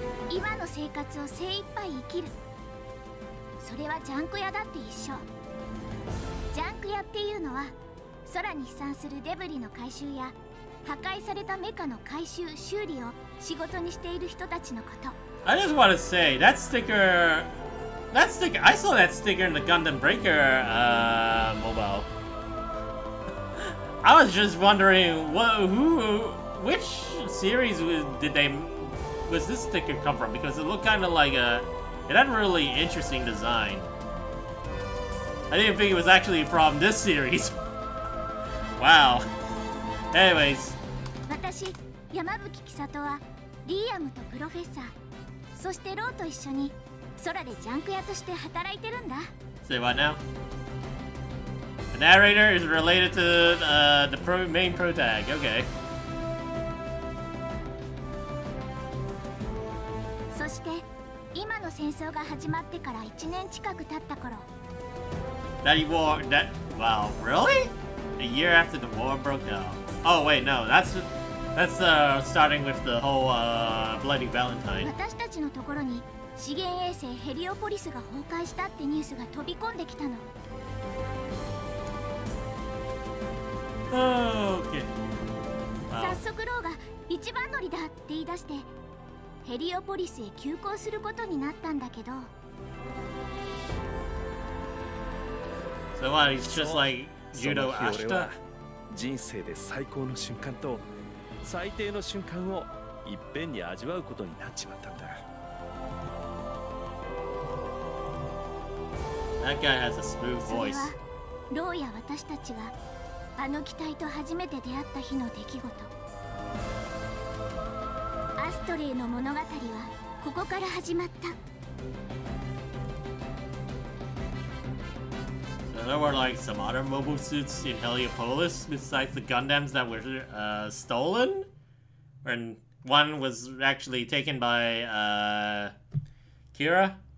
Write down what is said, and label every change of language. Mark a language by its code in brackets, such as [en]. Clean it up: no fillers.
[ja] 今の生活を精一杯生きる。それはジャンク屋だって一緒。ジャンク屋っていうのは、空に飛散するデブリの回収や、破壊されたメカの回収、修理を仕事にしている人たちのこと。 [en] I just want to say, that sticker, I saw that sticker in the Gundam Breaker, mobile. I was just wondering, which series was this sticker come from? Because it looked kind of like it had a really interesting design. I didn't think it was actually from this series. Wow. Anyways. [ja] 私、山吹貴里はリアムとプロフェッサー、そしてローと一緒に空でジャンク屋として働いてるんだ。 [en] Say what now? The narrator is related to main protag, okay. [ja] そして、今の戦争が始まってから1年近く経った頃。 [en] Wow, really? A year after the war broke out. Oh wait, no, that's... That's starting with the whole Bloody Valentine. [ja] 私たちのところに資源衛星ヘリオポリスが崩壊したってニュースが飛び込んできたの。 [en] Okay. [ja] Wow. 早速ローが一番乗りだって言い出してヘリオポリスへ急行することになったんだけど。 [en] So what? It's just like judo Ashita. [ja] 人生で最高の瞬間と最低の瞬間をいっぺんに味わうことになっちまったんだ。 [en] That guy has a smooth voice. [ja] ローや私たちは。あの機体と初めて出会った日の出来事。アストレイの物語はここから始まった。 [en] So there were like some other mobile suits in Heliopolis besides the Gundams that were stolen? And one was actually taken by Kira?